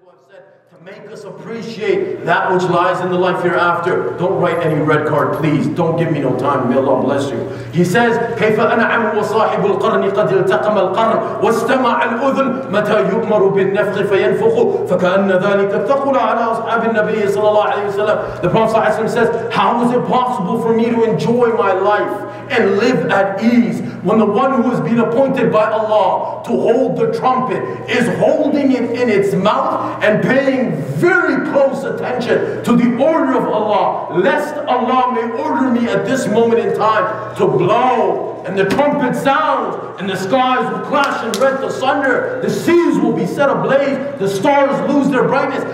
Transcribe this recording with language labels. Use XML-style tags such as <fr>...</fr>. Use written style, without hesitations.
<en>said, to make us appreciate that which lies in the life hereafter. Don't write any red card, please. Don't give me no time. May Allah bless you. He says,</en> <ar>كيف أنعم وصاحب القرن قد التقم القرن واستمع الأذن متى يؤمر بالنفخ فينفخ فكأن ذلك الثقل على أصحاب النبي صلى الله عليه وسلم.</ar> <en>The Prophet says, how is it possible for me to enjoy my life and live at ease when the one who has been appointed by Allah to hold the trumpet is holding it in its mouth and paying very close attention to the order of Allah, lest Allah may order me at this moment in time to blow and the trumpet sounds and the skies will clash and rent asunder, the seas will be set ablaze, the stars lose their brightness.</en>